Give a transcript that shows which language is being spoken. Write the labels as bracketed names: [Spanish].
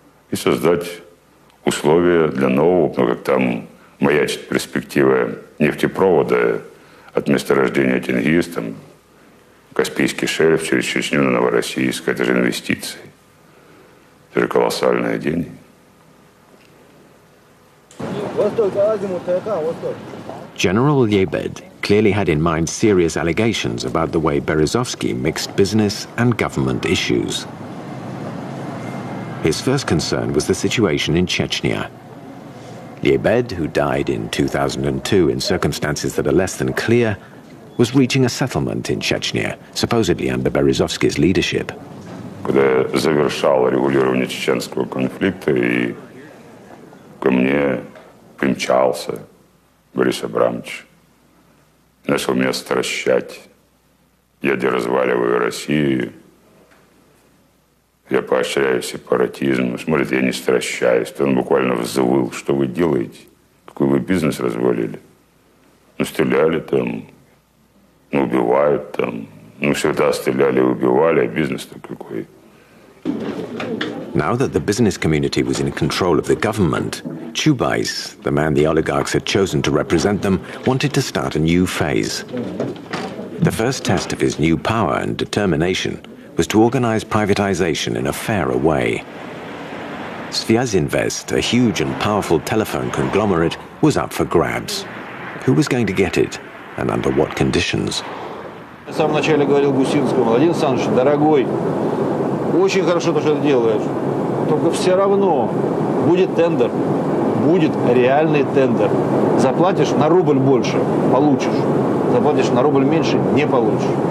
[Russian] и создать условия для нового, ну, как там маячит перспектива нефтепровода от месторождения Тенгиз, там, Каспийский шельф через Чечню на Новороссийск. Это же инвестиции. Это же колоссальные деньги. [English] General Liebed clearly had in mind serious allegations about the way Berezovsky mixed business and government issues. His first concern was the situation in Chechnya. Liebed, who died in 2002 in circumstances that are less than clear, was reaching a settlement in Chechnya, supposedly under Berezovsky's leadership. [Russian] Когда я завершал регулирование чеченского конфликта, и ко мне примчался Борис Абрамович, начал меня стращать. Я деразваливаю Россию. Я поощряю сепаратизм. Смотрите, я не стращаюсь. Он буквально взвыл. Что вы делаете? Какой вы бизнес развалили? Ну, стреляли там. Ну, убивают там. Ну, всегда стреляли и убивали. А бизнес-то какой? [English] Now that the business community was in control of the government, Чубайс, the man the oligarchs had chosen to represent them, wanted to start a new phase. The first test of his new power and determination was to organize privatization in a fairer way. Sviazinvest, a huge and powerful telephone conglomerate, was up for grabs. Who was going to get it, and under what conditions? [Russian] В самом начале говорил Гусинскому, Владимир Александрович, дорогой, очень хорошо то, что ты делаешь. Только все равно будет тендер. Будет реальный тендер. Заплатишь на рубль больше – получишь. Заплатишь на рубль меньше – не получишь.